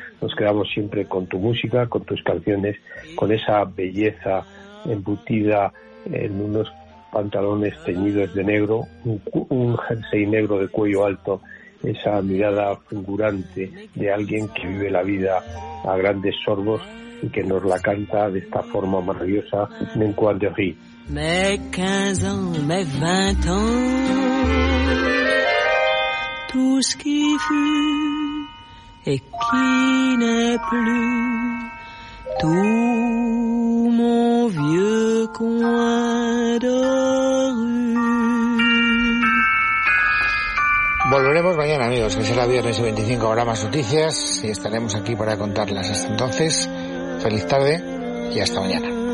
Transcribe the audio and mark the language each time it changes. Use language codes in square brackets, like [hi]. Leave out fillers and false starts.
[es] Nos quedamos siempre con tu música, con tus canciones, con esa belleza embutida en unos pantalones teñidos de negro, un jersey negro de cuello alto, esa mirada fulgurante de alguien que vive la vida a grandes sorbos y que nos la canta de esta forma maravillosa, en Coin de Riz. [fr] Mes 15 ans, mes 20 ans, tout ce qui fut et qui n'est plus, tout mon vieux coin de rue. [es] Volveremos mañana, amigos, que será viernes y 25 habrá más noticias y estaremos aquí para contarlas. Hasta entonces, feliz tarde y hasta mañana.